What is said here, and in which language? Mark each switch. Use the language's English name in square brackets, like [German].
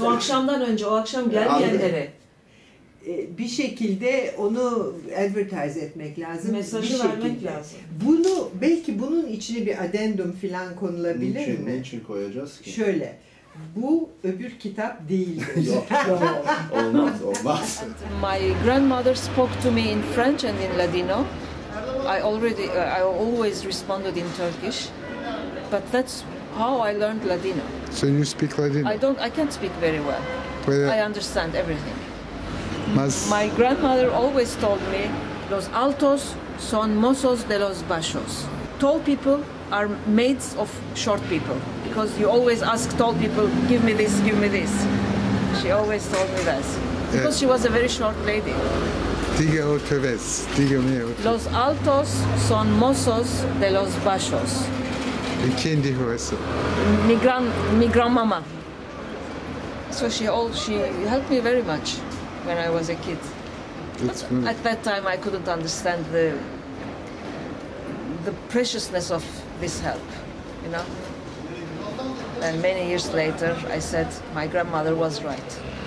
[Turkish] O akşamdan önce, o akşam gelmeyenlere. Bir şekilde onu advertise etmek lazım. Mesajı bir vermek şekilde. Lazım. Bunu, belki bunun içine bir addendum falan konulabilir niçin, mi? Niçin koyacağız ki? Şöyle, bu öbür kitap değildir. Yok, olmaz, olmaz. [English] My grandmother spoke to me in French and in Ladino. I always responded in Turkish, but that's how I learned Ladino. So you speak Ladino? I can't speak very well. But I understand everything. My grandmother always told me, [Ladino] los altos son mozos de los bajos. [English] Tall people are mates of short people, because you always ask tall people, give me this, give me this. She always told me that, because she was a very short lady. [Spanish] Diga otra vez, dígame otra vez. [Ladino] Los altos son mozos de los bajos. [Spanish] ¿Y quién dijo eso? [Ladino] Mi grandmama. [English] So she helped me very much when I was a kid. At that time I couldn't understand the preciousness of this help, you know? And many years later I said my grandmother was right.